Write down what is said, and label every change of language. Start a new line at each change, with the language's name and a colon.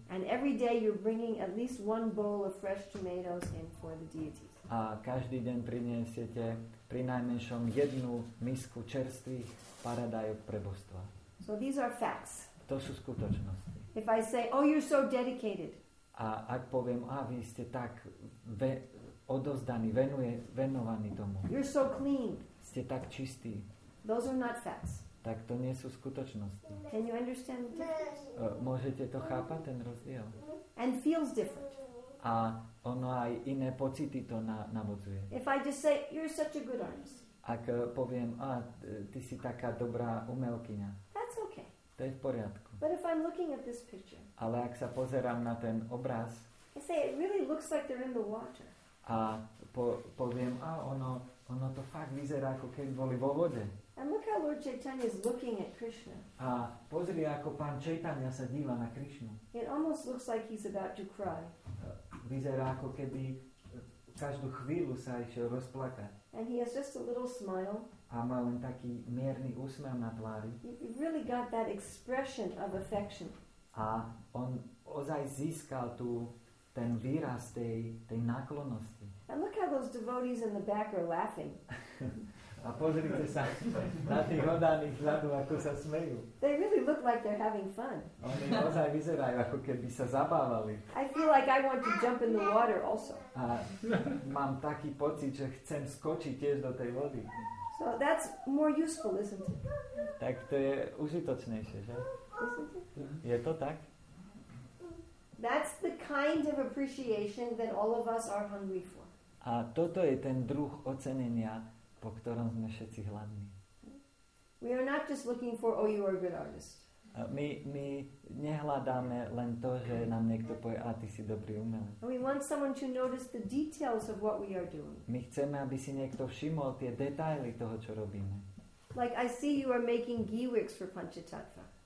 English: And every day you're bringing at least one bowl of fresh tomatoes in for the deities.
Slovak: A každý deň prinesiete prinajmenšom jednu misku čerstvých paradajok pre božstva.
English: So these are facts.
Slovak: To sú skutočnosti.
English: If I say, oh, you're so dedicated.
Slovak: A ak poviem, vy ste tak odovzdaný, venovaný tomu.
English: You're so clean.
Slovak: Ste tak čistý.
English: Those are not facts.
Slovak: Tak to nie sú skutočnosti.
English: Can you understand the difference?
Slovak: Môžete to chápať, ten rozdiel?
English: And feels different.
Slovak: A ono aj iné pocity to nabudzuje.
English: If I just say, you're such a good artist.
Slovak: Ak poviem, ty si taká dobrá umelkyňa.
English: That's okay.
Slovak: To je v poriadku.
English: But if I'm looking at this picture.
Slovak: Ale ak sa pozerám na ten obraz.
English: I say, it really looks like they're in the water.
Slovak: A poviem, ono to fakt vyzerá, ako keď boli vo vode.
English: And look how Lord Chaitanya is looking at Krishna.
Slovak: A pozri, ako pán Chaitanya sa díva na Krishnu.
English: It almost looks like he's about to cry.
Slovak: Vyzerá, ako keby každú chvíľu sa išiel rozplakať.
English: And he has just a little smile.
Slovak: A má len taký mierny úsmev na tvári.
English: He really got that expression of affection.
Slovak: A on ozaj získal tú ten výraz tej náklonnosti.
English: And look how those devotees in the back are laughing.
Slovak: A pozrite sa na tých oddaných vzadu, ako sa smejú.
English: They really look like they're having fun.
Slovak: Oni naozaj vyzerajú, ako keby sa zabávali.
English: I feel like I want to jump in the water also.
Slovak: A mám taký pocit, že chcem skočiť tiež do tej vody.
English: So that's more useful, isn't it?
Slovak: Tak to je užitočnejšie, že? Je to tak?
English: That's the kind of appreciation that all of us are hungry for.
Slovak: A toto je ten druh ocenenia, po ktorom sme všetci hladní.
English: We are not just looking for, oh, you are a good artist.
Slovak: My nehľadáme len to, že nám niekto povie, ty si dobrý umelec.
English: We want someone to notice the details of what we are doing.
Slovak: My chceme, aby si niekto všimol tie detaily toho, čo robíme.
English: Like I see you are making ghee wicks for Panchatattva.